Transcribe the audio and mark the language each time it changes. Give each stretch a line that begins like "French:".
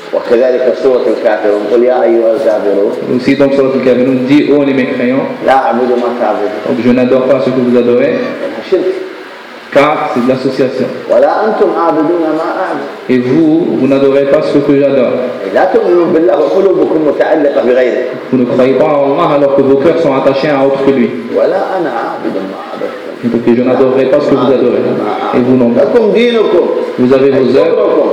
Arabic: كذلك سورة الكافرون قل يا أيها الكافرون.
French: Aussi donc sur les kafirun dit oh les mécréants.
Arabic: لا أعبد ما تعبدون.
French: Je n'adore pas ce que vous adorez. Car c'est de l'association.
Arabic: ولا أنتم عابدون ما أعبد.
French: Et vous n'adorez pas ce que j'adore.
Arabic: لا تؤمنوا بالله وقلوبكم متعلقة بغيره.
French: Vous ne croyez pas en Allah alors que vos cœurs sont attachés à autre que lui.
Arabic: ولا أنا عابد ما أعبد.
French: Donc je n'adorerai pas ce que vous adorez. Et vous non. Vous avez vos œuvres.